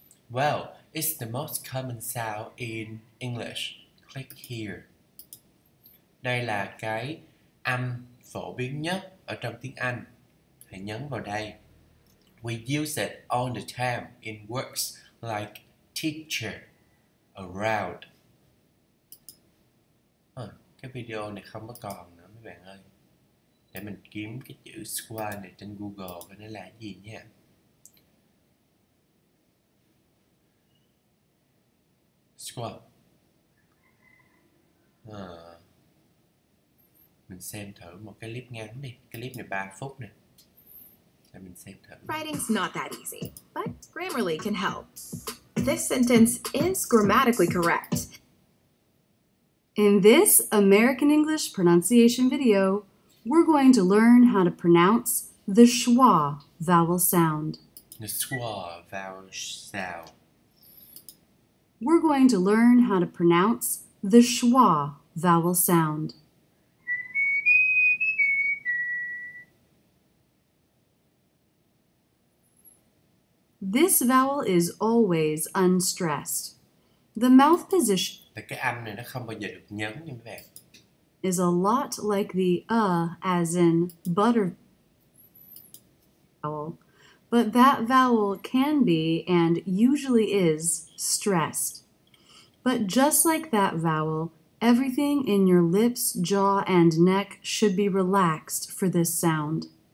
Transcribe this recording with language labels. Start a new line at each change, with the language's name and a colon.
English: Well, it's the most common sound in English. Click here.
Vietnamese: Đây là cái âm phổ biến nhất ở trong tiếng Anh. Hãy nhấn vào đây.
English: We use it all the time in words like teacher, around.
Vietnamese: Cái video này không có còn nữa mấy bạn ơi. Để mình kiếm cái chữ squad này trên Google coi nó là gì nha. Squad. Mình xem thử một cái clip ngắn đi. Cái clip này 3 phút nè. Để mình xem thử.
English: Writing's not that easy, but Grammarly can help. This sentence is grammatically correct. In this American English pronunciation video, we're going to learn how to pronounce the schwa vowel sound. The schwa vowel sound. We're going to learn how to pronounce the schwa vowel sound. This vowel is always unstressed. The mouth position
Vietnamese: cái âm này nó không bao giờ được nhấn như thế này.
English: Is a lot like the as in butter vowel, but that vowel can be and usually is stressed. But just like that vowel, everything in your lips, jaw, and neck should be relaxed for this sound.